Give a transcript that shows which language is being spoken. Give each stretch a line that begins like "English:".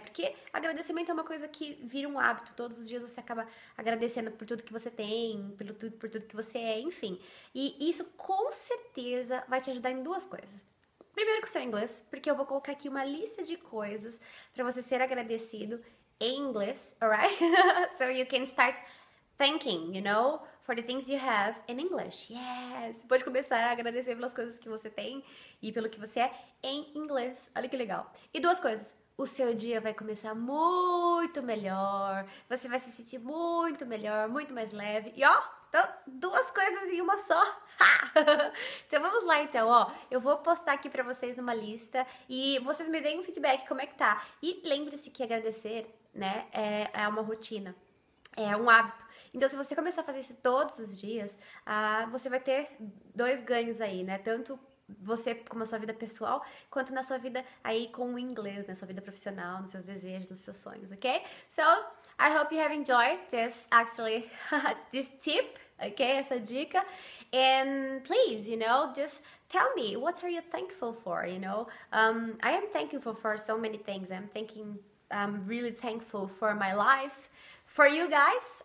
Portuguese: Porque agradecimento é uma coisa que vira um hábito. Todos os dias você acaba agradecendo por tudo que você tem, por tudo que você é, enfim. E isso com certeza vai te ajudar em duas coisas. Primeiro com o seu inglês, porque eu vou colocar aqui uma lista de coisas para você ser agradecido em inglês, alright?
English: So you can start thanking, you know, for the things you have in English. Yes!
Portuguese: Pode começar a agradecer pelas coisas que você tem e pelo que você é em inglês. Olha que legal. E duas coisas. O seu dia vai começar muito melhor, você vai se sentir muito melhor, muito mais leve. E ó, então, duas coisas em uma só. Então vamos lá então, ó, eu vou postar aqui pra vocês uma lista e vocês me deem um feedback, como é que tá? E lembre-se que agradecer, né, é uma rotina, é um hábito. Então se você começar a fazer isso todos os dias, você vai ter dois ganhos aí, né, tanto você com a sua vida pessoal, quanto na sua vida aí com o inglês, na sua vida profissional, nos seus desejos, nos seus sonhos, ok?
English: So, I hope you have enjoyed this, actually, this tip. Okay,
Portuguese: essa dica,
English: and please, you know, just tell me, what are you thankful for, you know? I am thankful for so many things. I'm really thankful for my life, for you guys.